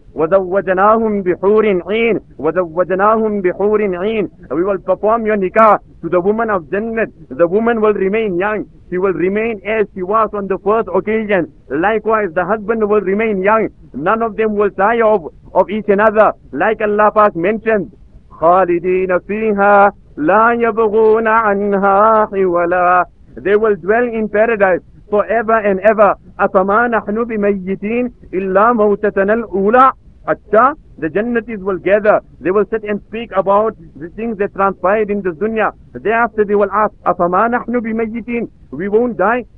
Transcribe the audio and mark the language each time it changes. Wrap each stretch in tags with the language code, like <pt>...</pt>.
<ar>وَزَوَّجَنَاهُمْ بِحُورٍ عِينٍ وَزَوَّجَنَاهُمْ بِحُورٍ عِينٍ.</ar> <en>We will perform your nikah to the woman of Jannah. The woman will remain young. She will remain as she was on the first occasion. Likewise, the husband will remain young. None of them will tire of each another. Like Allah Pak mentioned,</en> <ar>خَالِدِينَ فِيهَا لَا يَبْغُونَ عَنْهَا حِوَلَا.</ar> <en>They will dwell in paradise forever and ever.</en> <ar>أَفَمَا نَحْنُ بِمَيِّتِينَ إِلَّا مَوْتَتَنَا الْأُولَى.</ar> <en>Atta, the Jannatis will gather. They will sit and speak about the things that transpired in this dunya. Thereafter they will ask,</en> <ar>أَفَمَا نَحْنُ بِمَيِّتِينَ</ar> <en>We won't die.</en>